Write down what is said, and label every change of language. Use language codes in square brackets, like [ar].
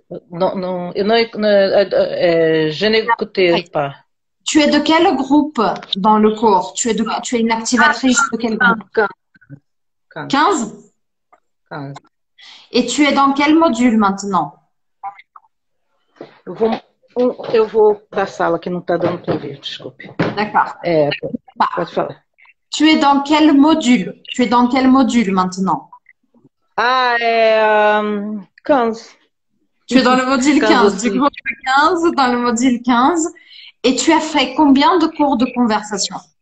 [fr] Non, je n'écoutais pas. Tu es de quel groupe dans le cours? Tu es une activatrice de quel groupe? 15? Et tu es dans quel module maintenant? [pt] Eu vou para a sala que não está dando para ouvir, desculpe. [fr] D'accord. [pt] É, pode falar. [fr] Tu es dans quel module? Tu es dans quel module maintenant? Ah, Tu es dans le module 15 15, du aussi. groupe 15, dans le module 15. Et tu as fait combien de cours de conversation?